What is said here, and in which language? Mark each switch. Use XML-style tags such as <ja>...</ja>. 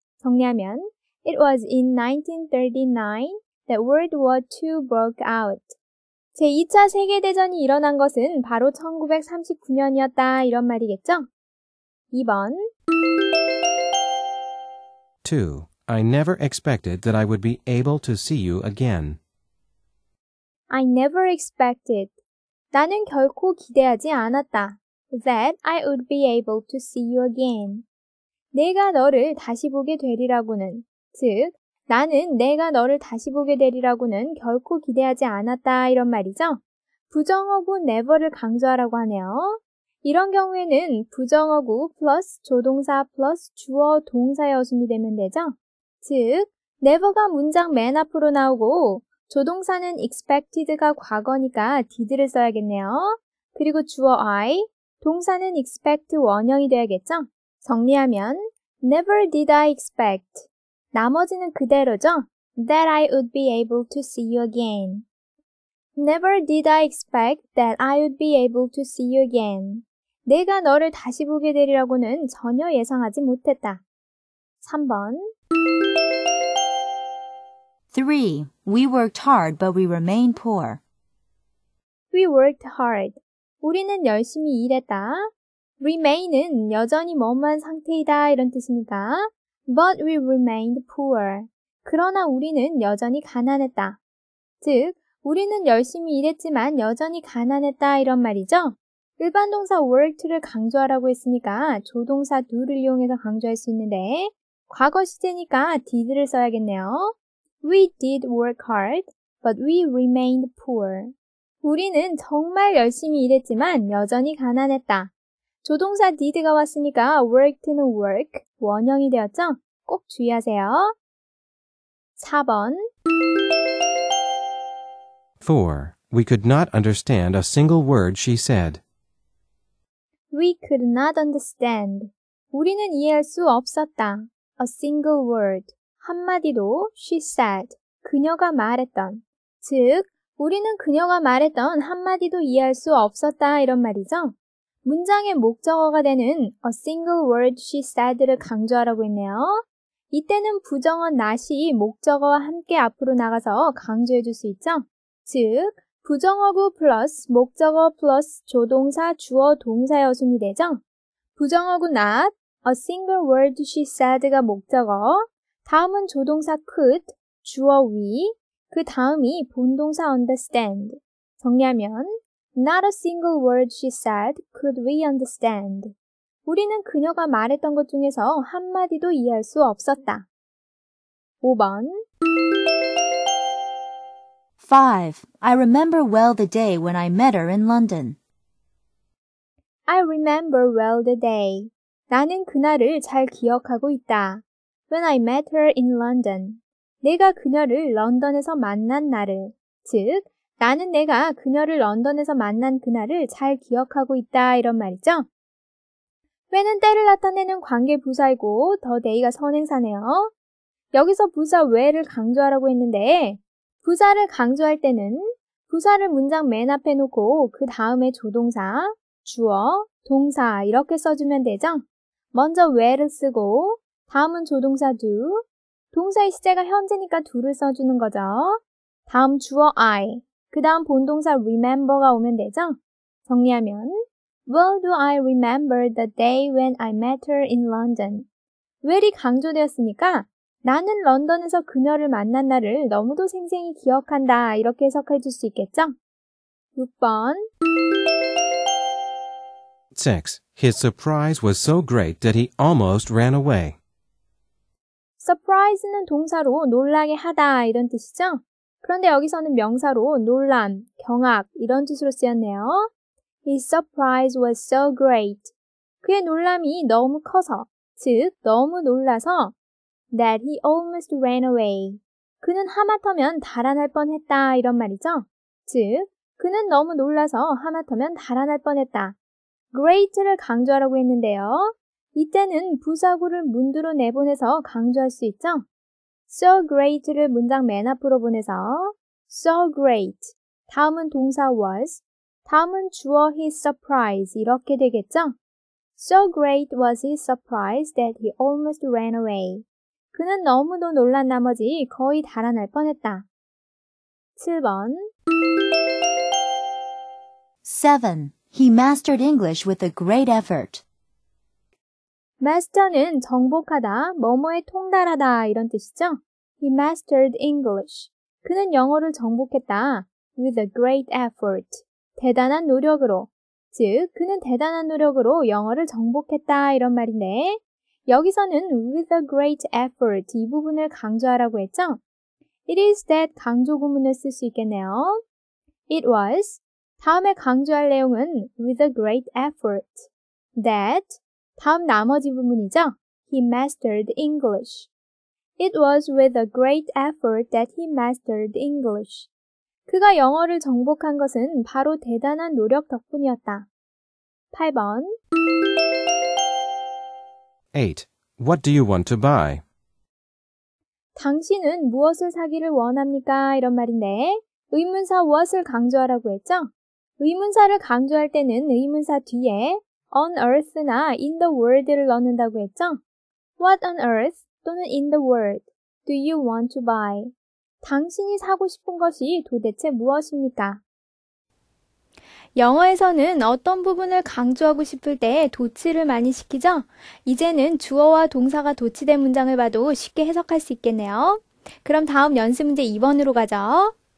<en>정리하면 it was in 1939 that World War II broke out.</en> <ko>제2차 세계대전이 일어난 것은 바로 1939년이었다. 이런 말이겠죠? 2번.</ko> <en>Two. I never expected that I would be able to see you again. I never expected.</en> <ko>나는 결코 기대하지 않았다.</ko> <en>That I would be able to see you again.</en> <ko>내가 너를 다시 보게 되리라고는. 즉, 나는 내가 너를 다시 보게 되리라고는 결코 기대하지 않았다 이런 말이죠. 부정어구 never를 강조하라고 하네요. 이런 경우에는 부정어구 플러스 조동사 플러스 주어 동사의 어순이 되면 되죠. 즉, never가 문장 맨 앞으로 나오고 조동사는 expected가 과거니까 did를 써야겠네요. 그리고 주어 I, 동사는 expect 원형이 되어야겠죠.</ko> <en>정리하면 never did I expect.</en> <ko>나머지는 그대로죠?</ko> <en>That I would be able to see you again. Never did I expect that I would be able to see you again.</en> <ko>내가 너를 다시 보게 되리라고는 전혀 예상하지 못했다. 3번.</ko> <en>Three. We worked hard, but we remain poor. We worked hard.</en> <ko>우리는 열심히 일했다. Remain은 여전히 머무한 상태이다. 이런 뜻입니까?</ko> <en>But we remained poor.</en> <ko>그러나 우리는 여전히 가난했다. 즉, 우리는 열심히 일했지만 여전히 가난했다. 이런 말이죠? 일반 동사 worked를 강조하라고 했으니까 조동사 do를 이용해서 강조할 수 있는데, 과거 시제니까 did를 써야겠네요.</ko> <en>We did work hard, but we remained poor.</en> <ko>우리는 정말 열심히 일했지만 여전히 가난했다. 조동사 did가 왔으니까 worked는 work, 원형이 되었죠? 꼭 주의하세요. 4번.</ko> <en>Four. We could not understand a single word she said. We could not understand.</en> <ko>우리는 이해할 수 없었다.</ko> <en>A single word.</en> <ko>한마디로</ko> <en>she said.</en> <ko>그녀가 말했던. 즉, 우리는 그녀가 말했던 한마디도 이해할 수 없었다. 이런 말이죠. 문장의 목적어가 되는</ko> <en>a single word she said</en> <ko>를 강조하라고 했네요. 이때는 부정어 not이 목적어와 함께 앞으로 나가서 강조해 줄수 있죠? 즉, 부정어구 플러스 목적어 플러스 조동사 주어 동사의 어순이 되죠? 부정어구 not,</ko> <en>a single word she said</en> <ko>가 목적어, 다음은 조동사 could, 주어 we, 그 다음이 본동사 understand.</ko> <en>정리하면, not a single word she said, could we understand?</en> <ko>우리는 그녀가 말했던 것 중에서 한마디도 이해할 수 없었다. 5번.</ko> <en>Five. I remember well the day when I met her in London. I remember well the day.</en> <ko>나는 그날을 잘 기억하고 있다.</ko> <en>When I met her in London.</en> <ko>내가 그녀를 런던에서 만난 날을. 즉, 나는 내가 그녀를 런던에서 만난 그날을 잘 기억하고 있다. 이런 말이죠. when은 때를 나타내는 관계 부사이고 the day가 선행사네요. 여기서 부사 where를 강조하라고 했는데 부사를 강조할 때는 부사를 문장 맨 앞에 놓고 그 다음에 조동사, 주어, 동사 이렇게 써주면 되죠? 먼저 where를 쓰고 다음은 조동사 do, 동사의 시제가 현재니까 do를 써주는 거죠. 다음 주어 I, 그 다음 본동사 remember가 오면 되죠?</ko> <en>정리하면 Well, do I remember the day when I met her in London?</en> <ko>Well이 강조되었으니까 나는 런던에서 그녀를 만난 날을 너무도 생생히 기억한다 이렇게 해석해 줄 수 있겠죠? 6번</ko> <en>6. His surprise was so great that he almost ran away.</en> <ko>Surprise는 동사로 놀라게 하다 이런 뜻이죠? 그런데 여기서는 명사로 놀람, 경악 이런 뜻으로 쓰였네요.</ko> <en>His surprise was so great.</en> <ko>그의 놀람이 너무 커서, 즉 너무 놀라서</ko> <en>that he almost ran away.</en> <ko>그는 하마터면 달아날 뻔했다 이런 말이죠. 즉 그는 너무 놀라서 하마터면 달아날 뻔했다. Great를 강조하라고 했는데요. 이때는 부사구를 문두로 내보내서 강조할 수 있죠. So great를 문장 맨 앞으로 보내서 so great 다음은 동사 was 다음은 주어 his surprise 이렇게 되겠죠?</ko> <en>So great was his surprise that he almost ran away.</en> <ko>그는 너무도 놀란 나머지 거의 달아날 뻔했다. 7번</ko> <en>7. He mastered English with a great effort.</en> <ko>Master는 정복하다, 뭐뭐에 통달하다 이런 뜻이죠?</ko> <en>He mastered English.</en> <ko>그는 영어를 정복했다.</ko> <en>With a great effort.</en> <ko>대단한 노력으로, 즉 그는 대단한 노력으로 영어를 정복했다 이런 말인데 여기서는</ko> <en>with a great effort</en> <ko>이 부분을 강조하라고 했죠? It is that 강조 구문을 쓸 수 있겠네요. It was, 다음에 강조할 내용은</ko> <en>with a great effort,</en> <ko>that, 다음 나머지 부분이죠?</ko> <en>He mastered English. It was with a great effort that he mastered English.</en> <ko>그가 영어를 정복한 것은 바로 대단한 노력 덕분이었다. 8번</ko> <en>8. What do you want to buy?</en> <ko>당신은 무엇을 사기를 원합니까? 이런 말인데 의문사 what을 강조하라고 했죠? 의문사를 강조할 때는 의문사 뒤에 on earth나 in the world를 넣는다고 했죠?</ko> <en>What on earth 또는 in the world do you want to buy?</en> <ko>당신이 사고 싶은 것이 도대체 무엇입니까? 영어에서는 어떤 부분을 강조하고 싶을 때 도치를 많이 시키죠? 이제는 주어와 동사가 도치된 문장을 봐도 쉽게 해석할 수 있겠네요. 그럼 다음 연습 문제 2번으로 가죠.</ko>